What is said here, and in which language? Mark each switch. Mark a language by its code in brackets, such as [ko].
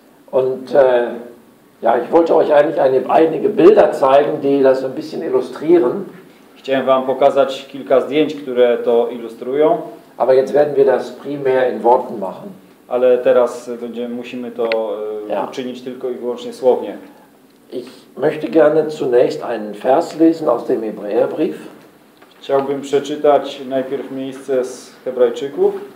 [de] Und ja, ich wollte euch eigentlich einige Bilder zeigen, die das ein bisschen illustrieren. [pl] Chciałem Wam pokazać kilka zdjęć, które to ilustrują. [de] Aber jetzt werden wir das primär in Worten machen. [pl] Ale teraz musimy to uczynić tylko i wyłącznie słownie. [de] Ich möchte gerne zunächst einen Vers lesen aus dem Hebräerbrief. [pl] Chciałbym przeczytać najpierw miejsce z Hebrajczyków.